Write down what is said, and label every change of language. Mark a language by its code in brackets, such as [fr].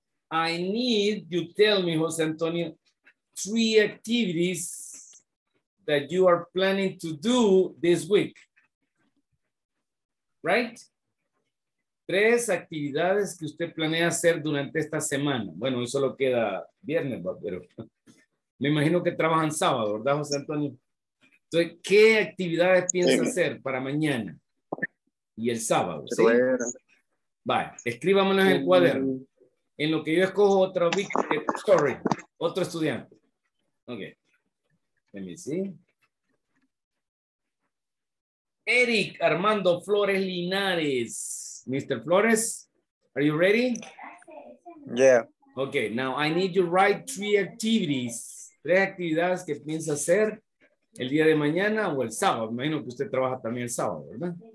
[en] I need you tell me, José Antonio, three activities that you are planning to do this week. Right? [es] Tres actividades que usted planea hacer durante esta semana. Bueno, eso lo queda viernes, pero me imagino que trabajan sábado, ¿verdad, José Antonio? Entonces, ¿qué actividades piensa sí. hacer para mañana y el sábado? ¿Sí? Vale, escríbamelo en el cuaderno. En lo que yo escojo otra story, otro estudiante. [en] Ok. Let me see. Eric Armando Flores Linares. Mr. Flores, are you ready? Yeah. Okay, now I need you to write three activities. [es] Tres actividades que piensa hacer el día de mañana o el sábado. Imagino que usted trabaja también el sábado, ¿verdad?